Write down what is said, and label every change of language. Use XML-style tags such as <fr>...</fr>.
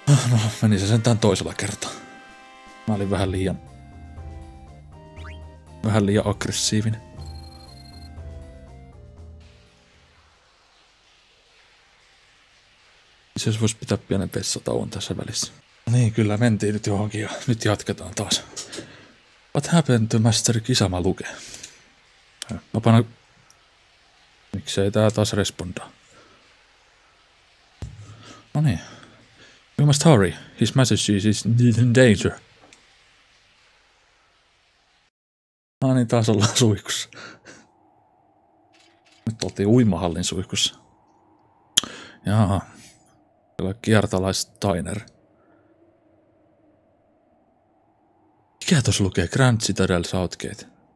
<fi>No, meni se sentään toisella kertaa. Mä olin vähän liian aggressiivinen. Itse asiassa voisi pitää pienen vessatauon tässä välissä. Niin, kyllä mentiin nyt johonkin ja nyt jatketaan taas.</fi> <en>What happened to Master Kisama luke?</en> <fi>Mä panen... Miksei tää taas respondaa?</fi> <en>Noniin. We must hurry. His message is in danger.</en> <fi>Ah, niin taas ollaan suihkussa. Nyt oltiin uimahallin suihkussa. Jaha. Tällä kiertalaistainer. Mikä tuossa lukee? Grand Citadel Southgate.</fi>